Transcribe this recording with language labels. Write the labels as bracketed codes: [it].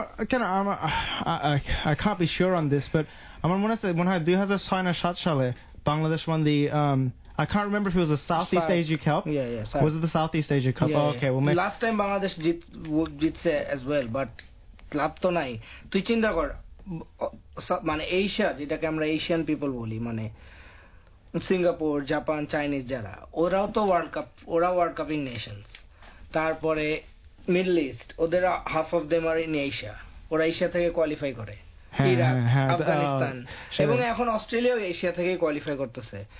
[en] কেন I can't be sure on this, but [bn] আমার মনে হচ্ছে 2006-07 সালে Bangladesh [en] Won the I can't remember if it was the Southeast Asia Cup. Yeah, was it the Southeast Asia Cup? Yeah, oh, okay. Well, last time Bangladesh jitse as well, but [bn] লাভ তো নাই। তুই চিন্তা কর মানে এশিয়া, যেটাকে আমরা Asian people বলি, মানে সিঙ্গাপুর, জাপান, চাইনিজ যারা, ওরাও তো ওয়ার্ল্ড কাপ, ওরা ওয়ার্ল্ড কাপিং নেশনস। তারপরে মিডল ইস্ট, ওদের [en] half of them are in [bn] Asia, ওরা এশিয়া থেকে কোয়ালিফাই করে, ইরাক, আফগানিস্তান, এবং এখন অস্ট্রেলিয়াও এশিয়া থেকে কোয়ালিফাই করতেছে।